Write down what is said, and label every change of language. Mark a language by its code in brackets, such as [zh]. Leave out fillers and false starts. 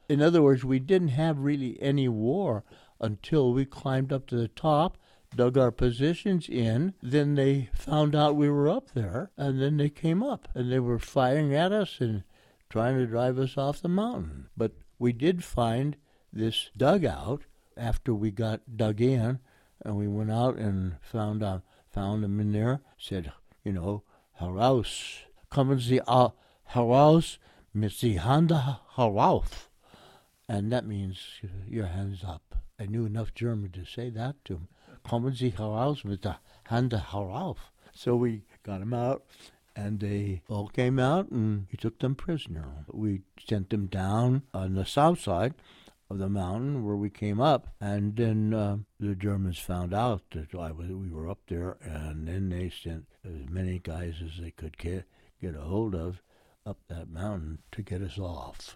[en] In other words, we didn't have really any war until we climbed up to the top, dug our positions in, then they found out we were up there, and then they came up, and they were firing at us and trying to drive us off the mountain. But we did find this dugout after we got dug in, and we went out and found him in there. Said, you know, [de] heraus, kommen Sie heraus mit die Hände herauf. [en] And that means your hands up. I knew enough German to say that to him. [de] Kommen Sie heraus mit die Hände herauf. [en] So we got him out, and they all came out, and we took them prisoner. We sent them down on the south side of the mountain where we came up, and then the Germans found out that we were up there, and then they sent as many guys as they could get a hold of up that mountain to get us off.